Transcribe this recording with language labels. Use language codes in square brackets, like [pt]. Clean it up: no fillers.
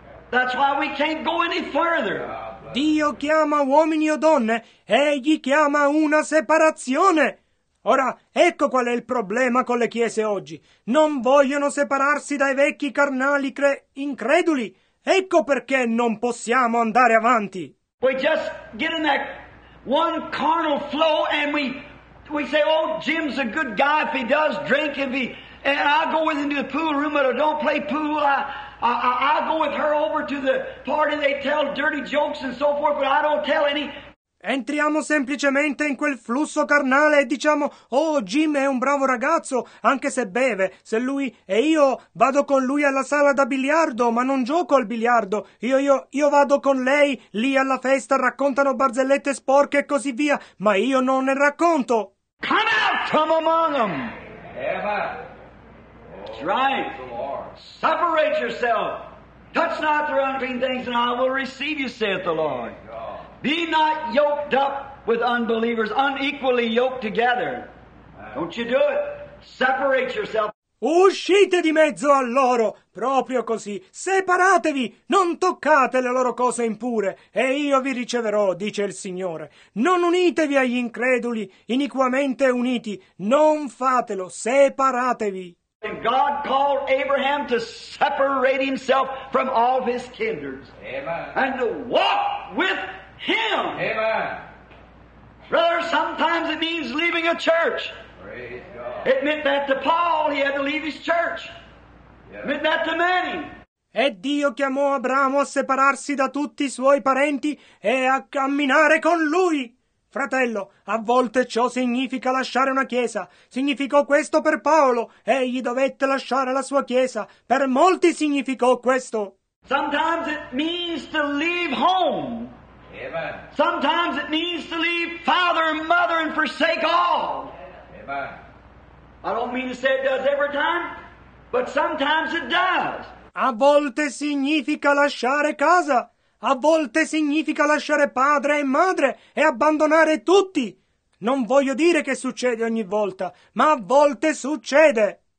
[en] That's why we can't go any further. [it] Dio chiama uomini o donne, egli chiama una separazione. Ora, ecco qual è il problema con le chiese oggi. Non vogliono separarsi dai vecchi carnali increduli. Ecco perché non possiamo andare avanti. [en] We just get in that one carnal flow and we say, oh, Jim's a good guy if he does drink, and I'll go with him to the pool room, but I don't play pool. I'll go with her over to the party, they tell dirty jokes and so forth, but I don't tell any. [it] Entriamo semplicemente in quel flusso carnale e diciamo, oh, Jim è un bravo ragazzo, anche se beve, se lui e io vado con lui alla sala da biliardo, ma non gioco al biliardo, io vado con lei lì alla festa, raccontano barzellette sporche e così via, ma io non ne racconto. [en] Come out from among them! Eva! That's right! Separate yourself! Touch not the unclean things and I will receive you, saith the Lord. Be not yoked up with unbelievers, unequally yoked together. Don't you do it. Separate yourself. [it] Uscite di mezzo a loro, proprio così. Separatevi, non toccate le loro cose impure, e io vi riceverò, dice il Signore. Non unitevi agli increduli, iniquamente uniti. Non fatelo, separatevi. [en] And God called Abraham to separate himself from all of his kindred. Amen. And to walk with Him. Amen. Brother, sometimes it means leaving a church. Praise God. It meant that to Paul, he had to leave his church. Yes. It meant that to many. [it] E Dio chiamò Abramo a separarsi da tutti i suoi parenti e a camminare con lui. Fratello, a volte ciò significa lasciare una chiesa. Significò questo per Paolo. Egli dovette lasciare la sua chiesa. Per molti significò questo. [en] Sometimes it means to leave home. Amen. Sometimes it means to leave father and mother and forsake all. Amen. I don't mean to say it does every time, but sometimes it does. [it] A volte significa lasciare casa. A volte significa lasciare padre e madre e abbandonare tutti. Non voglio dire che succede ogni volta, ma a volte succede.